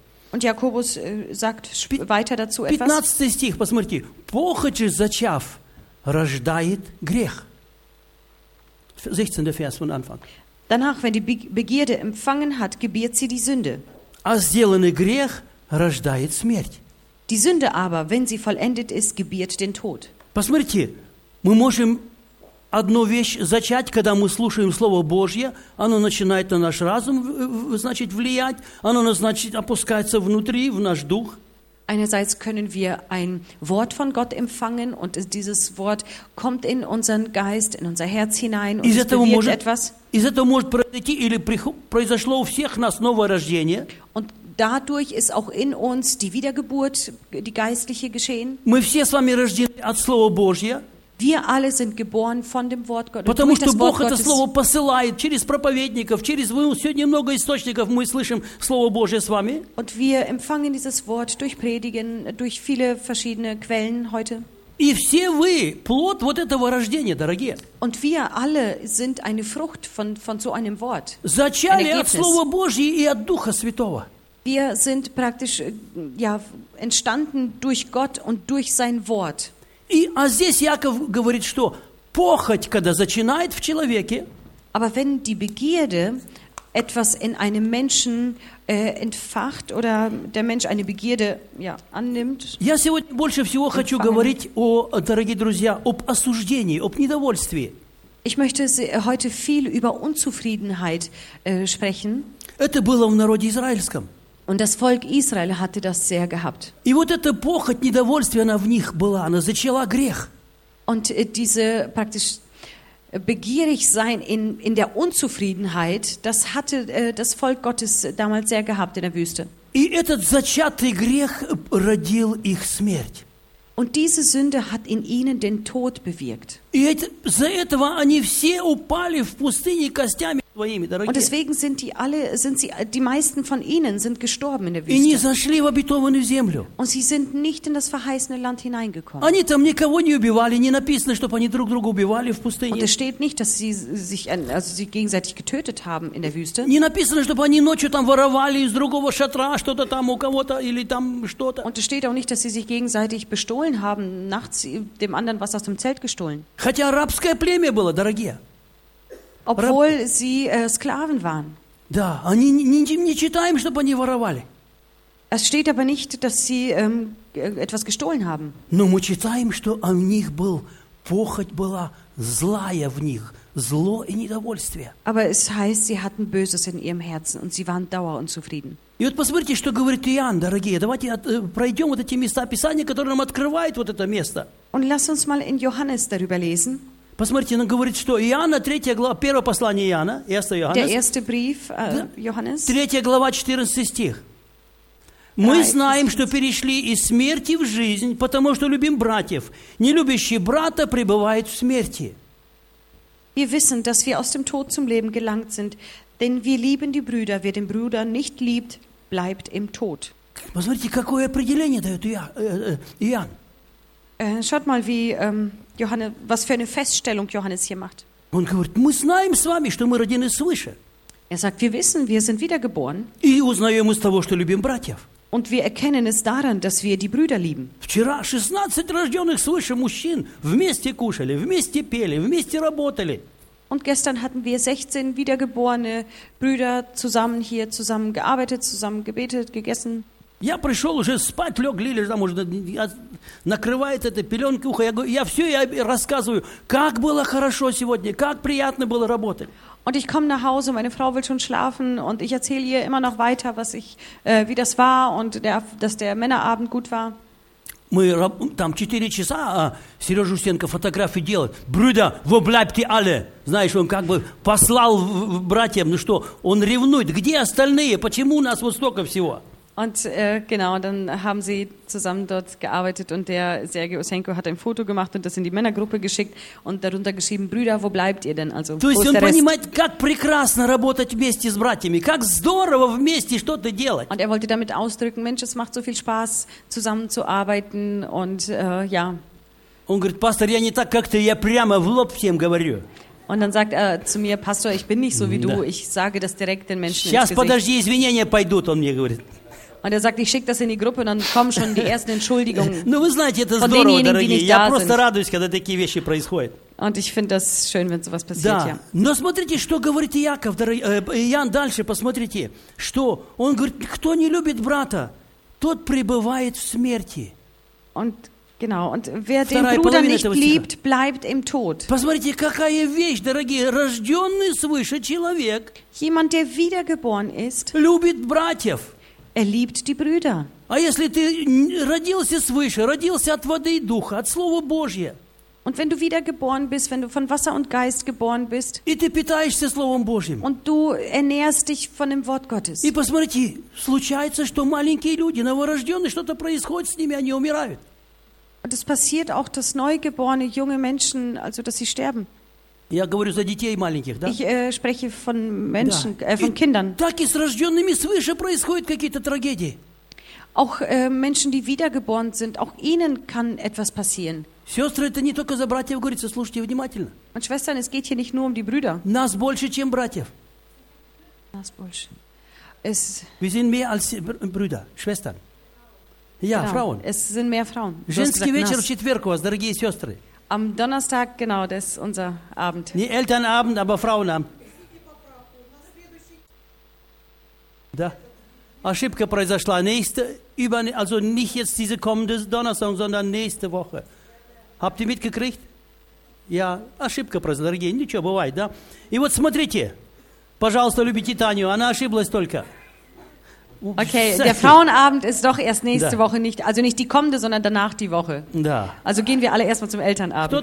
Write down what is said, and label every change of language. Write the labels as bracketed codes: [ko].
[de] Und Jakobus sagt weiter dazu etwas. 15. [ru] Stich, посмотрите, похоть зачав, рождает грех. [de] 16. Vers von Anfang. Danach, wenn die Begierde empfangen hat, gebiert sie die Sünde. [ru] А сделанный грех рождает смерть. [de] Die Sünde aber, wenn sie vollendet ist, gebiert den Tod. [ru] Посмотрите, мы можем одну вещь зачать, когда мы слушаем Слово Божье, оно начинает на наш разум, значит, влиять, оно, значит, опускается внутри, в наш дух. [de] Einerseits können wir ein Wort von Gott empfangen und dieses Wort kommt in unseren Geist, in unser Herz hinein und bewirkt etwas. [ru] Из этого может произойти или произошло у всех нас новое рождение. [de] Und dadurch ist auch in uns die Wiedergeburt, die geistliche geschehen. [ru] Мы все с вами рождены от Слова Божьего. [de] Wir alle sind geboren von dem Wort Gottes. [ru] Потому что Бог это слово посылает через проповедников, через мы сегодня много источников мы слышим слово Божье с вами. [de] Und wir empfangen dieses Wort durch Predigen, durch viele verschiedene Quellen heute. [ru] И все вы плод вот этого рождения, дорогие. [de] Und wir alle sind eine Frucht von so einem Wort. [ru] Зачали от слова Божьего и от Духа Святого. [de] Wir sind praktisch ja entstanden durch Gott und durch sein Wort. [ru] И, а здесь Яков говорит, что похоть, когда начинает в человеке, [de] aber wenn die Begierde etwas in einem Menschen entfacht oder der Mensch eine Begierde ja, annimmt, [ru] я сегодня больше всего empfangen. Хочу говорить о, дорогие друзья, об осуждении, об недовольстве. [de] Ich möchte heute viel über Unzufriedenheit sprechen. [ru] Это было в народе израильском. [de] Und das Volk Israel hatte das sehr gehabt. [ru] И вот эта похоть, недовольствие, она в них была, она зачала грех. [de] Und diese praktisch begierig sein in der Unzufriedenheit, das hatte das Volk Gottes damals sehr gehabt in der Wüste. [ru] И этот зачатый грех родил их смерть. [de] Und diese Sünde hat in ihnen den Tod bewirkt. [ru] И из-за этого они все упали в пустыне костями. [de] Und deswegen sind die meisten von ihnen sind gestorben in der Wüste. Und sie sind nicht in das verheißene Land hineingekommen. [ru] Они там никого не убивали, не написано, чтобы они друг друга убивали в пустыне. [de] Und es steht nicht, dass sie sich also sie gegenseitig getötet haben in der Wüste. [ru] Не написано, чтобы они ночью там воровали из другого шатра что-то там у кого-то или там что-то. [de] Und es steht auch nicht, dass sie sich gegenseitig bestohlen haben nachts dem anderen was aus dem Zelt gestohlen. [ru] Хотя арабское племя было, дорогие. [de] Obwohl sie Sklaven waren. [ru] Да, они не читаем, чтобы они воровали. [de] Es steht aber nicht, dass sie etwas gestohlen haben. [ru] Но мы читаем, что у них был похоть была злая в них, зло и недовольствие. [de] Aber es heißt, sie hatten Böses in ihrem Herzen und sie waren dauerunzufrieden. [ru] И вот посмотрите, что говорит Иоанн, дорогие. Давайте пройдем вот эти места Писания, которые нам открывают вот это место. [de] Und lass uns mal in Johannes darüber lesen. [ru] Посмотрите, он говорит, что Иоанна, 3 глава, 1 послание Иоанна, 1 Иоаннес. [de] Der erste Brief, Johannes. [ru] 3 глава, 14 стих. Мы знаем, что перешли из смерти в жизнь, потому что любим братьев. Не любящий брата пребывает в смерти. [de] Wir wissen, dass wir aus dem Tod zum Leben gelangt sind, denn wir lieben die Brüder. Wer den Bruder nicht liebt, bleibt im Tod. [ru] Посмотрите, какое определение дает Иоанн. [de] Schaut mal, wie Johannes, was für eine Feststellung Johannes hier macht. [ru] Он говорит, мы знаем с вами, что мы родины свыше. [de] Er sagt, wir wissen, wir sind wiedergeboren. [ru] И узнаем из того, что любим братьев. [de] Und wir erkennen es daran, dass wir die Brüder lieben. [ru] Вчера 16 рожденных свыше мужчин вместе кушали, вместе пели, вместе работали. [de] Und gestern hatten wir 16 wiedergeborene Brüder zusammen hier, zusammen gearbeitet, zusammen gebetet, gegessen. [ru] Я пришел уже спать, лег, Лили, там уже накрывает это пеленкой ухо. Я все я рассказываю, как было хорошо сегодня, как приятно было работать. [de] Und ich komme nach Hause, meine Frau will schon schlafen und ich erzähle ihr immer noch weiter, was ich, wie das war und der, dass der Männerabend gut war. [ru] Мы там 4 часа Сережа Устенко фотографии делает. [de] Брюда, wo bleibt ihr alle? [ru] Знаешь, он как бы послал братьям, ну что, он ревнует. Где остальные? Почему у нас вот столько всего? [de] Und genau, dann haben sie zusammen dort gearbeitet und der Sergio Usenko hat ein Foto gemacht und das in die Männergruppe geschickt und darunter geschrieben, Brüder, wo bleibt ihr denn? Also, [ru] то есть он понимает, как прекрасно работать вместе с братьями, как здорово вместе что-то делать. [de] Und er wollte damit ausdrücken, Mensch, es macht so viel Spaß, zusammenzuarbeiten und ja. [ru] Он говорит, пастор, я не так, как ты, я прямо в лоб всем говорю. [de] Und dann sagt er zu mir, Pastor, ich bin nicht so wie du, ich sage das direkt den Menschen ins Gesicht. [ru] Сейчас, подожди, извинения пойдут, он мне говорит. [de] Und er sagt, ich schicke das in die Gruppe, dann kommen schon die ersten Entschuldigungen. [ru] Ну вы знаете, это здорово, дорогие. Я просто радуюсь, когда такие вещи происходят. [de] Und ich finde das schön, wenn sowas passiert. [ru] Да. Но смотрите, что говорит Иаков, Иоанн дальше, посмотрите, что он говорит, кто не любит брата, тот пребывает в смерти. [de] Und genau, und wer den Bruder nicht liebt, bleibt im Tod. [ru] Посмотрите, какая вещь, дорогие, рожденный свыше человек. [de] Jemand, der wiedergeboren ist. [ru] Любит братьев. [de] Er liebt die Brüder. [ru] А если ты родился свыше, родился от воды и духа, от Слова Божьего. [de] Und wenn du wiedergeboren bist, wenn du von Wasser und Geist geboren bist. [ru] И ты питаешься Словом Божьим. [de] Und du ernährst dich von dem Wort Gottes. [ru] И посмотрите, случается, что маленькие люди, новорожденные, что-то происходит с ними, они умирают. [de] Und es passiert auch, dass neugeborene junge Menschen, also dass sie sterben. [ru] Я говорю за детей маленьких, да? [de] Ich spreche von Menschen, да. Von Kindern. [ru] Так и с рожденными свыше происходят какие-то трагедии. [de] Auch Menschen, die wiedergeboren sind, auch ihnen kann etwas passieren. [ru] Сестры, это не только за братьев говорится, слушайте внимательно. [de] Und Schwestern, es geht hier nicht nur um die Brüder. [ru] Нас больше, чем братьев. Нас больше. Es... [de] Wir sind mehr als Brüder, Schwestern. Ja, genau. Frauen. Es sind mehr Frauen. [ru] Du женский gesagt, вечер в четверг у вас, дорогие сестры. [de] Am Donnerstag, genau, das ist unser Abend. Nicht Elternabend, aber Frauenabend. [ru] Da. Ошибка произошла. [de] Nächste, über, also nicht jetzt diese kommende Donnerstag, sondern nächste Woche. Habt ihr mitgekriegt? [ru] Ja, ошибка произошла. Дорогие, ничего, бывает, да? И вот смотрите. Пожалуйста, любите Таню. Она ошиблась только. [de] Okay, der Frauenabend ist doch erst nächste da. Woche, nicht, also nicht die kommende, sondern danach die Woche. Da. Also gehen wir alle erstmal zum Elternabend.